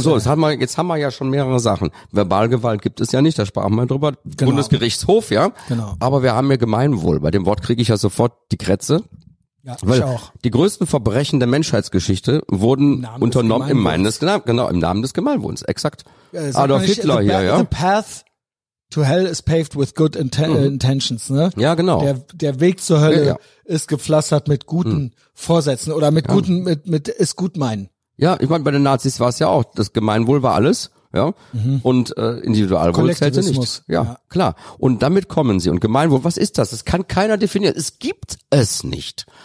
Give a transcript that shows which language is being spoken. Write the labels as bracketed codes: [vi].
[de] So, jetzt haben wir ja schon mehrere Sachen. Verbalgewalt gibt es ja nicht, da sprachen wir drüber. Genau. Bundesgerichtshof, ja. Genau. Aber wir haben ja Gemeinwohl. Bei dem Wort kriege ich ja sofort die Krätze. Ja, weil ich auch. Die größten Verbrechen der Menschheitsgeschichte wurden unternommen im Namen des Gemeinwohls. Exakt. Ja, Adolf nicht, Hitler hier, ja. [en] The path to hell is paved with good intentions, ne? [de] Ja, genau. Der Weg zur Hölle ist gepflastert mit guten Vorsätzen oder mit guten, mit ist gut meinen. Ja, ich meine, bei den Nazis war es ja auch, das Gemeinwohl war alles, ja, und Individualwohl zählte nicht. Ja, klar. Und damit kommen sie. Und Gemeinwohl, was ist das? Das kann keiner definieren. Es gibt es nicht.